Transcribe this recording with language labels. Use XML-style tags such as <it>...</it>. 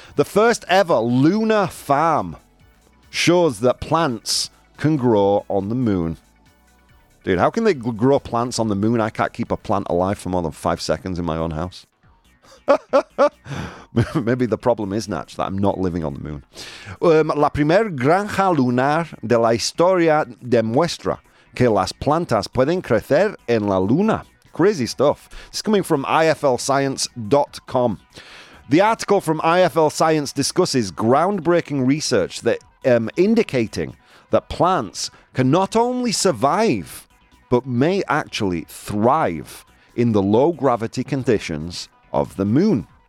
<en>The first ever lunar farm shows that plants can grow on the moon. Dude, how can they grow plants on the moon? I can't keep a plant alive for more than 5 seconds in my own house. Maybe the problem is, Natch, that I'm not living on the moon.</en> <es>La primer granja lunar de la historia demuestra que las plantas pueden crecer en la luna.</es> <en>Crazy stuff. This is coming from iflscience.com. The article from IFL Science discusses groundbreaking research that indicating that plants can not only survive, but may actually thrive in the low gravity conditions of the moon.</en>